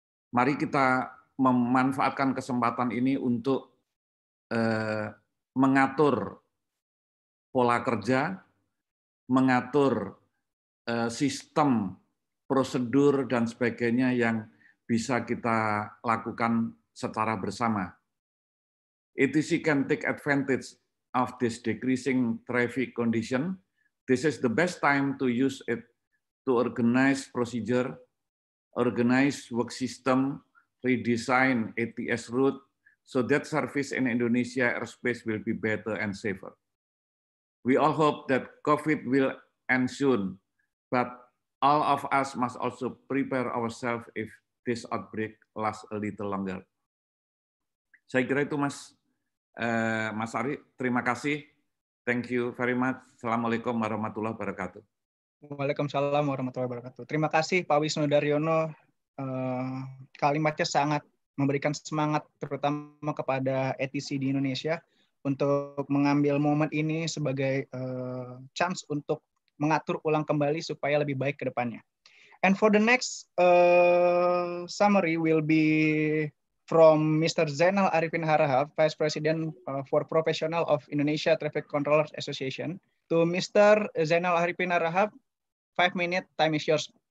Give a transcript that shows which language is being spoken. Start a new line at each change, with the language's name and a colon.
Indonesian: Mari kita memanfaatkan kesempatan ini untuk mengatur pola kerja, mengatur sistem, prosedur, dan sebagainya yang bisa kita lakukan secara bersama.
English: ATC can take advantage of this decreasing traffic condition. This is the best time to use it to organize procedure, organize work system, redesign ATS route, so that service in Indonesia airspace will be better and safer. We all hope that COVID will end soon, but all of us must also prepare ourselves if this outbreak lasts a little longer.
Indonesian: Saya kira itu Mas, Mas Ari, terima kasih. Thank you very much.
Arabic: Assalamualaikum warahmatullahi wabarakatuh.
Indonesian: Waalaikumsalam warahmatullahi wabarakatuh. Terima kasih Pak Wisnu Daryono. Kalimatnya sangat memberikan semangat terutama kepada ATC di Indonesia untuk mengambil momen ini sebagai chance untuk mengatur ulang kembali supaya lebih baik ke depannya.
English: And for the next summary will be from Mr. Zainal Arifin Harahap, Vice President for Professional of Indonesia Traffic Controllers Association. To Mr. Zainal Arifin Harahap, 5 minute, time is yours.